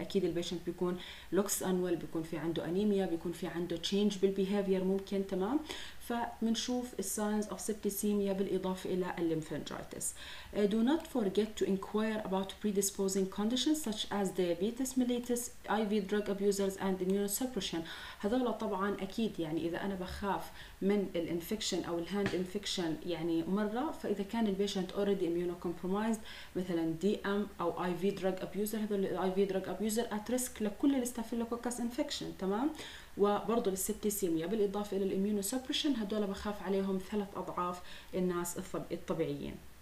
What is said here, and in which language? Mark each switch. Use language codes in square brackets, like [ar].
[ar] أكيد البيشنت بيكون [en] looks unwell, [ar] بيكون في عنده أنيميا, بيكون في عنده change بالbehavior ممكن, تمام, فمنشوف [en] signs of septicemia [ar] بالإضافة إلى lymphangitis. [en] Do not forget to inquire about predisposing conditions such as diabetes mellitus, IV drug abusers and immunosuppression. [ar] هذولا طبعا أكيد يعني إذا أنا بخاف من الانفكشن أو الهاند انفكشن يعني مرة, فإذا كان البيشنت already immunocompromised مثلا DM أو IV drug abuser, هذول IV drug abuser [en] at risk [ar] لكل الستافيلوكوكس انفكشن, تمام, وبرضو للسبتيسيميا, بالإضافة إلى الاميونوسوبريشن, هذول بخاف عليهم ثلاث أضعاف الناس الطبيعيين.